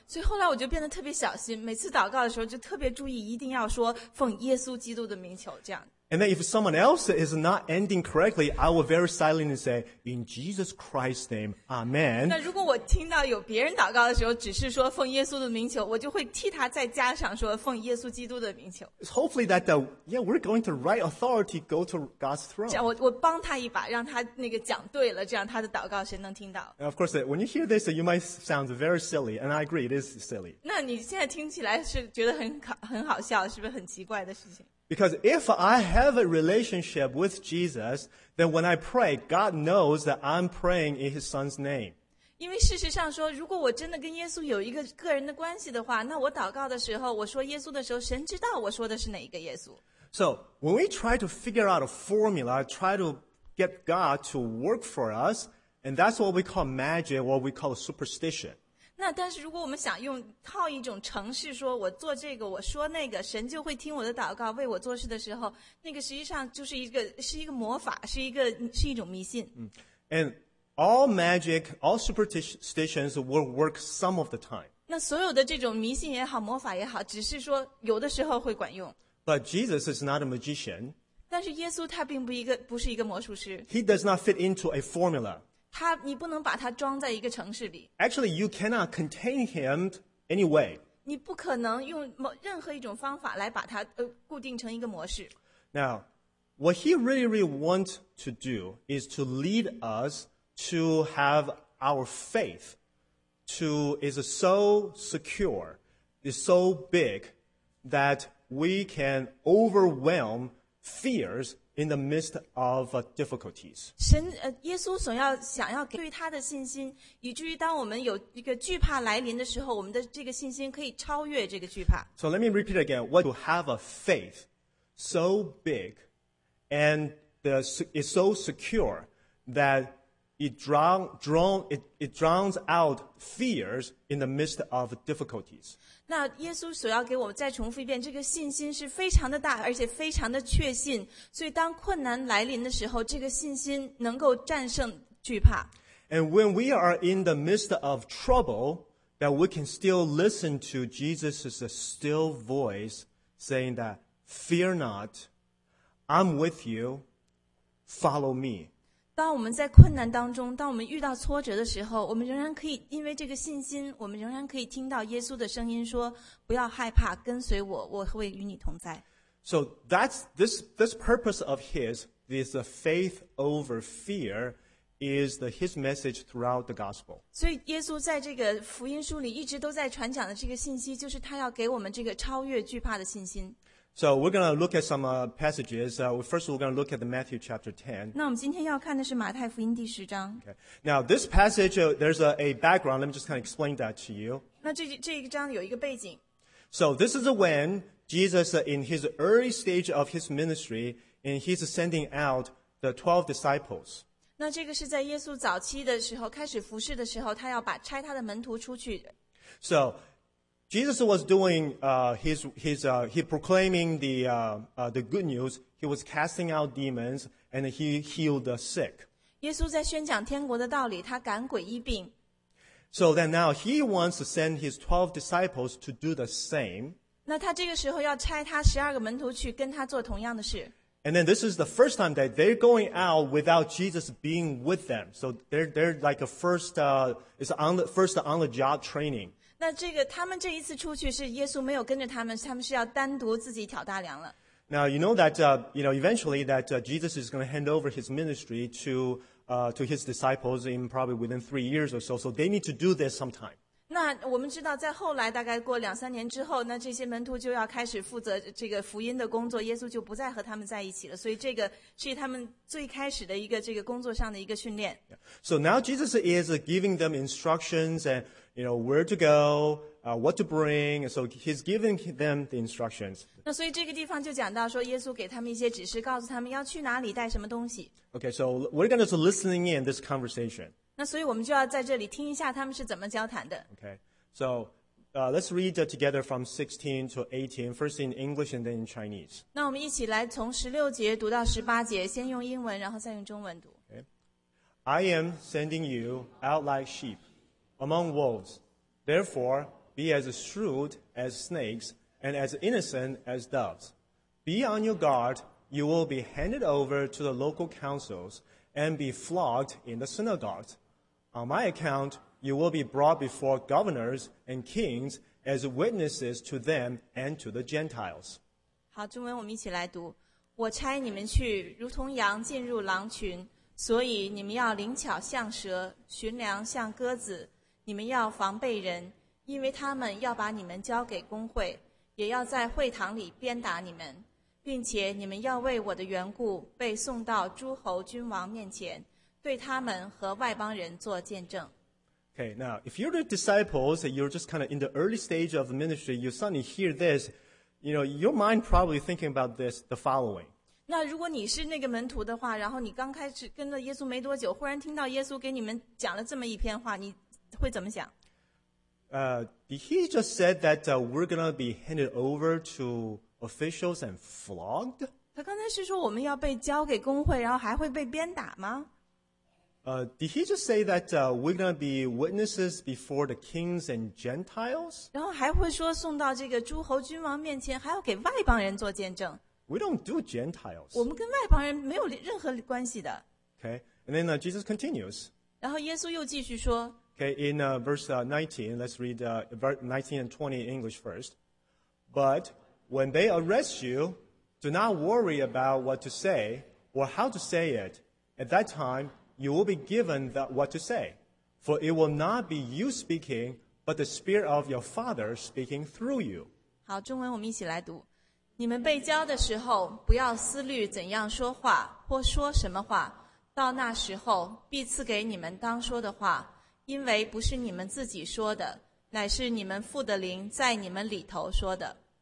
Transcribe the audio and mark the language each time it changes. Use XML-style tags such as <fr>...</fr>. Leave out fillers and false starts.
<zh>所以后来我就变得特别小心，每次祷告的时候就特别注意，一定要说奉耶稣基督的名求，这样。</zh> <en>And then if someone else is not ending correctly, I will very silently say, in Jesus Christ's name, amen.</en> <zh>那如果我听到有别人祷告的时候只是说奉耶稣的名求，我就会替他再加上说奉耶稣基督的名求。</zh> <en>Hopefully that we're going to right authority go to God's throne.</en> <zh>这样我帮他一把，让他那个讲对了，这样他的祷告谁能听到。</zh> <en>And of course, when you hear this, you might sound very silly, and I agree, it is silly.</en> <zh>那你现在听起来是觉得很好笑，是不是很奇怪的事情？</zh> <en>Because if I have a relationship with Jesus, then when I pray, God knows that I'm praying in His Son's name.</en> <zh>因为事实上说，如果我真的跟耶稣有一个个人的关系的话，那我祷告的时候，我说耶稣的时候，神知道我说的是哪一个耶稣。</zh> <en>So when we try to figure out a formula, try to get God to work for us, and that's what we call magic, what we call superstition.</en> <zh>那但是如果我们想用靠一种程式说我做这个，我说那个，神就会听我的祷告，为我做事的时候，那个实际上就是一个是一个魔法，是一个是一种迷信。</zh> <en>And all magic, all superstitions will work some of the time.</en> <zh>那所有的这种迷信也好，魔法也好，只是说有的时候会管用。</zh> <en>But Jesus is not a magician.</en> <zh>但是耶稣他并不一个不是一个魔术师。</zh> <en>He does not fit into a formula.</en> <zh>他你不能把他装在一个程式里。</zh> <en>Actually, you cannot contain him anyway.</en> <zh>你不可能用任何一种方法来把他固定成一个模式。</zh> <en>Now, what he really wants to do is to lead us to have our faith to is so secure, is so big that we can overwhelm fears in the midst of difficulties.</en> <zh>神耶稣所要想要给他的信心，以至于当我们有一个惧怕来临的时候，我们的这个信心可以超越这个惧怕。</zh> <en>So let me repeat again, what to have a faith so big and is so secure thatIt drowns out fears in the midst of difficulties.</en> <zh>那耶稣所要给我们再重复一遍，这个信心是非常的大，而且非常的确信。所以当困难来临的时候，这个信心能够战胜惧怕。</zh> <en>And when we are in the midst of trouble, that we can still listen to Jesus' still voice saying that, "Fear not, I'm with you. Follow me."</en> <zh>当我们在困难当中，当我们遇到挫折的时候，我们仍然可以因为这个信心，我们仍然可以听到耶稣的声音说：“不要害怕，跟随我，我会与你同在。”</zh> <en>So that's this purpose of his, this faith over fear, is his message throughout the gospel.</en> <zh>所以耶稣在这个福音书里一直都在传讲的这个信息，就是他要给我们这个超越惧怕的信心。</zh> <en>So we're going to look at some passages. First, we're going to look at the Matthew chapter 10.</en> <zh>那我们今天要看的是马太福音第十章。</zh> <en>Okay. Now, this passage, there's a background. Let me just kind of explain that to you.</en> <zh>那这一章有一个背景。</zh> <en>So this is when Jesus, in his early stage of his ministry, and he's sending out the 12 disciples.</en> <zh>那这个是在耶稣早期的时候，开始服事的时候，他要把差他的门徒出去。</zh> <en>So,Jesus was doing he proclaiming the good news. He was casting out demons and he healed the sick.</en> <zh>耶稣在宣讲天国的道理，他赶鬼医病。</zh> <en>So then now he wants to send his 12 disciples to do the same.</en> <zh>那他这个时候要差他十二个门徒去跟他做同样的事。</zh> <en>And then this is the first time that they're going out without Jesus being with them. So they're like a first it's on the first on the job training.</en> <zh>那这个他们这一次出去是耶稣没有跟着他们，他们是要单独自己挑大梁了。</zh> <en>Now you know that eventually that Jesus is going to hand over his ministry to his disciples in probably within 3 years or so. So they need to do this sometime.</en> <zh>那我们知道，在后来大概过两三年之后，那这些门徒就要开始负责这个福音的工作，耶稣就不再和他们在一起了。所以这个是他们最开始的一个这个工作上的一个训练。</zh> <en>So now Jesus is giving them instructions and. You know, where to go, what to bring. So he's giving them the instructions.</en> <zh>那所以这个地方就讲到说耶稣给他们一些指示，告诉他们要去哪里，带什么东西。</zh> <en>Okay, so we're going to listen in this conversation.</en> <zh>那所以我们就要在这里听一下他们是怎么交谈的。</zh> <en>Okay, so let's read together from 16 to 18, first in English and then in Chinese.</en> <zh>那我们一起来从16节读到18节，先用英文，然后再用中文读。</zh> <en>Okay. I am sending you out like sheep. Among wolves. Therefore, be as shrewd as snakes and as innocent as doves. Be on your guard. You will be handed over to the local councils and be flogged in the synagogues. On my account, you will be brought before governors and kings as witnesses to them and to the Gentiles.</en> <zh>好，中文我们一起来读。我差你们去，如同羊进入狼群，所以你们要灵巧像蛇，寻良像鸽子。你们要防备人，因为他们要把你们交给公会，也要在会堂里鞭打你们。并且你们要为我的缘故被送到诸侯君王面前，对他们和外邦人做见证。</zh> <en>Okay, now, if you're the disciples, you're just kind of in the early stage of the ministry, you suddenly hear this, you know, your mind probably thinking about this the following.</en> <zh>那如果你是那个门徒的话，然后你刚开始跟着耶稣没多久，忽然听到耶稣给你们讲了这么一篇话，你会怎么想？</zh> <en>He just said that we're going to be handed over to officials and flogged?</en> <zh>他刚才是说我们要被交给公会，然后还会被鞭打吗？</zh> <en>Did he just say that we're going to be witnesses before the kings and Gentiles?</en> <zh>然后还会说送到这个诸侯君王面前，还要给外邦人做见证。</zh> <en>We don't do Gentiles.</en> <zh>我们跟外邦人没有任何关系的。</zh> <en>Okay, and then Jesus continues.</en> <zh>然后耶稣又继续说。</zh> <en>Okay, in verse 19, let's read 19 and 20 in English first. But when they arrest you, do not worry about what to say or how to say it. At that time, you will be given that what to say. For it will not be you speaking, but the Spirit of your Father speaking through you.</en> <zh>好，中文我们一起来读。你们被交的时候，不要思虑怎样说话或说什么话。到那时候，必赐给你们当说的话，因为不是你们自己说的，乃是你们父的灵在你们里头说的。</zh>